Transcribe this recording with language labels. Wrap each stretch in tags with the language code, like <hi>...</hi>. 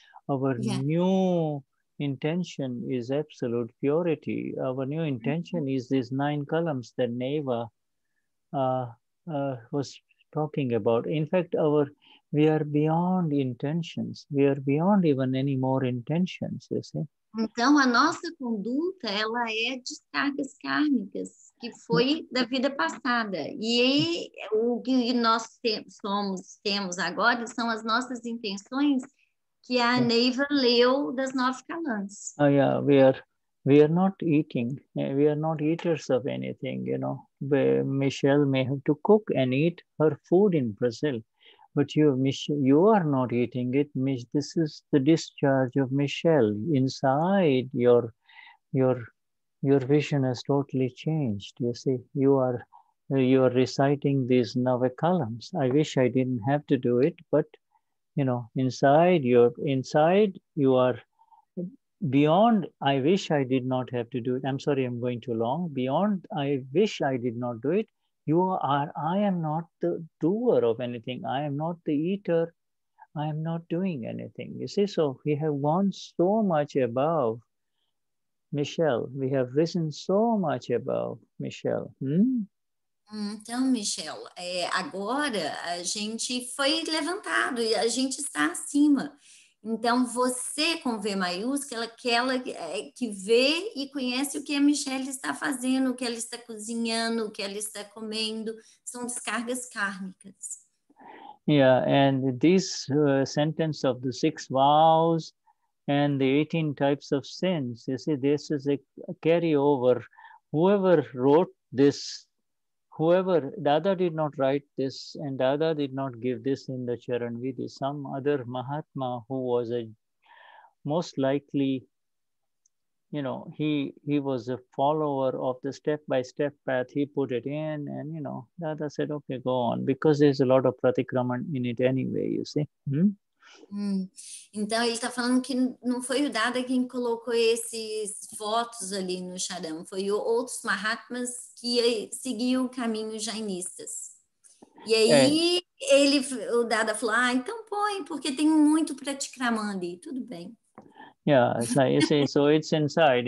<en>Our new intention is absolute purity. Our new intention is these nine columns that Neva was talking about. In fact, we are beyond intentions. We are beyond even any more intentions, you see.</en> <pt>Então, a nossa conduta, ela é descargas kármicas, que foi da vida passada. E o que nós temos agora são as nossas intenções que a Neiva leu das nove calãs.</pt> <en>We are not eating. We are not eaters of anything, you know. Michelle may have to cook and eat her food in Brazil. But you are not eating it. This is the discharge of Michelle. Inside, your vision has totally changed. You see, you are reciting these</en> <pt>nove</pt> <en>columns. I wish I didn't have to do it, but, you know, inside, you are beyond, I wish I did not have to do it. I'm sorry, I'm going too long. Beyond, I wish I did not do it. I am not the doer of anything. I am not the eater. I am not doing anything. You see, so we have gone so much above Michelle. We have risen so much above Michelle.</en> <pt>Então, Michelle, agora a gente foi levantado e a gente está acima. Então, você com V maiúscula, aquela que vê e conhece o que a Michelle está fazendo, o que ela está cozinhando, o que ela está comendo, são descargas kármicas.</pt> <en>Yeah, and this sentence of the six vows and the 18 types of sins, you see, this is a carryover. Whoever wrote this, Dada did not write this, and Dada did not give this in the Charanvidhi. Some other Mahatma who was a most likely, you know, he was a follower of the step-by-step path. He put it in, and, you know, Dada said, okay, go on. Because there's a lot of pratikraman in it anyway, you see.</en> <pt>Então, ele está falando que não foi o Dada quem colocou esses votos ali no Charan, foi outros Mahatmas que seguiam o caminho jainistas. E aí, o Dada falou, então põe, porque tem muito pratikramanda, tudo bem.</pt> <en>Yeah, it's like you say, so it's inside.</en>